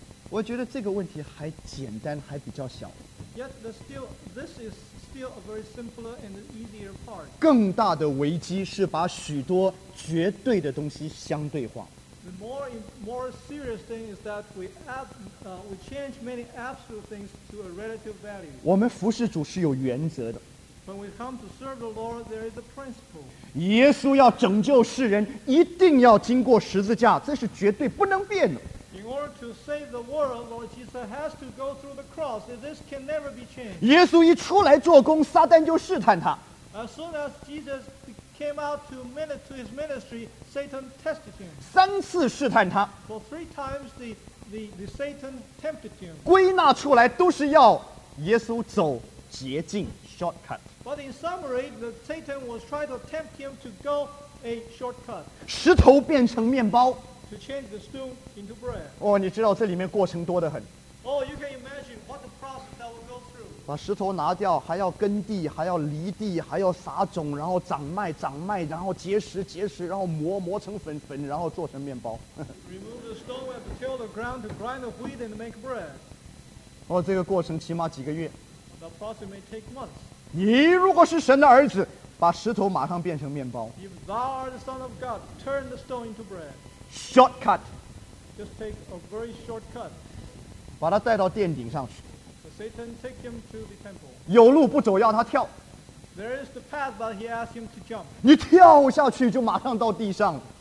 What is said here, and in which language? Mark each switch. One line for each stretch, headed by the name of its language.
Chinese: 我觉得这个问题还简单，还比较小。
English: Yet this is still a very simpler and easier part.
Chinese: 更大的危机是把许多绝对的东西相对化。
English: The more serious thing is that we change many absolute things to a relative value.
Chinese: 我们服侍主是有原则的。
English: When we come to serve the Lord, there is a principle.
Chinese: 耶稣要拯救世人，一定要经过十字架，这是绝对不能变的。
English: In order to save the world, Lord Jesus has to go through the cross. This can never be changed.
Chinese: 耶稣一出来做工，撒旦就试探他。
English: As soon as Jesus came out to his ministry, Satan tested him.
Chinese: 三次试探他。
English: For three times the Satan tempted him.
Chinese: 归纳出来都是要耶稣走捷径。
English: But in summary, the Satan was trying to tempt him to go a shortcut.
Chinese: 石头变成面包。
English: To change the stone into bread.
Chinese: 哦，你知道这里面过程多得很。
English: Oh, you can imagine what the process that will go through.
Chinese: 把石头拿掉，还要耕地，还要犁地，还要撒种，然后长麦，长麦，然后结实，结实，然后磨成粉，粉，然后做成面包。
English: Remove the stone, we have to till the ground to grind the wheat and make bread.
Chinese: 哦，这个过程起码几个月。
English: The process may take months.
Chinese: 你如果是神的儿子，把石头马上变成面包。
English: If thou art the son of God, turn the stone into bread. Shortcut. Just take a very shortcut.
Chinese: 把他带到殿顶上去。
English: The Satan take him to the temple.
Chinese: 有路不走，要他跳。
English: There is the path, but he asked him to jump.
Chinese: 你跳下去就马上到地上。